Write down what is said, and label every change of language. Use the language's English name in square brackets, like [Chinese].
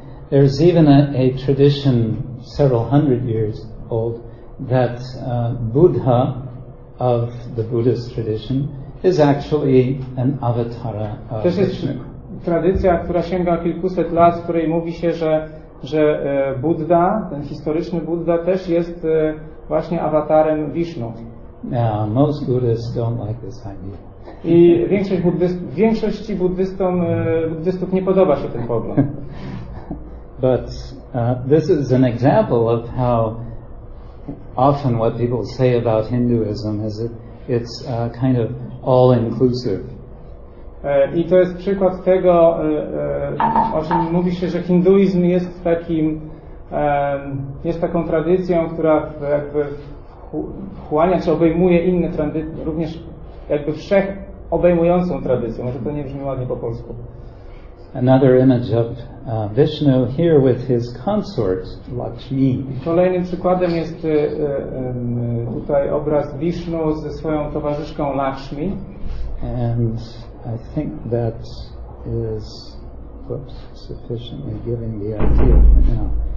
[English] There's even a tradition several hundred years old that Buddha of the Buddhist tradition is actually an avatara of Vishnu. [Polish] Tradycja, która sięga kilkuset lat, w której mówi się, że Buddha, ten historyczny Buddha, też jest właśnie awatarem Vishnu. [English] Now, most Buddhists don't like this idea. [Polish] I większości buddystów nie podoba się ten pogląd. [English] But this is an example of how often what people say about Hinduism is it's kind of all inclusive. [Polish] I to jest przykład tego, o czym mówi się, że hinduizm jest takim, jest taką tradycją, która jakby wchłania czy obejmuje inne tradycje, również jakby wszechobejmującą tradycję. Może to nie brzmi ładnie po polsku. [English] Another image of Vishnu here with his consort Lakshmi. [Polish] Kolejnym przykładem jest tutaj obraz Vishnu ze swoją towarzyszką Lakshmi. [English] And I think that is sufficiently giving the idea for now.